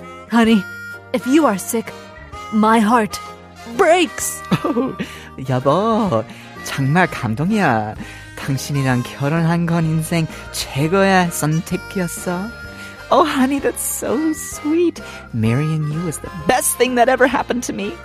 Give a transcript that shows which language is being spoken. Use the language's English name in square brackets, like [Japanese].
[English] Honey, if you are sick, my heart breaks. [Korean] Oh, 여보, 정말 감동이야. 당신이랑 결혼한 건 인생 최고의 선택이었어. [English] Oh, honey, that's so sweet. Marrying you is the best thing that ever happened to me.